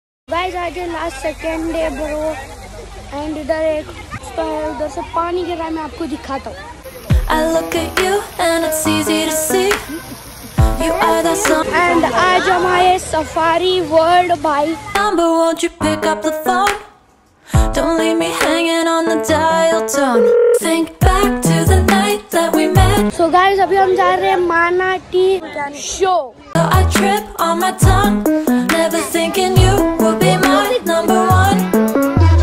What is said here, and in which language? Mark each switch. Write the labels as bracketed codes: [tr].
[hi] Guys आज last second day bro, and इधर एक उधर से पानी गिर रहा है, मैं आपको दिखाता हूँ. [en] I look at you and it's easy to see. You are the sun. [hi] And आज हम आए सफारी वर्ल्ड भाई. [en] Number, won't you pick up the phone? Don't leave me hanging on the dial tone. Think back to the night that we met. [hi] So guys, अभी हम जा रहे हैं मानाटी show. [en] So I trip on my tongue, never thinking you would be my number one.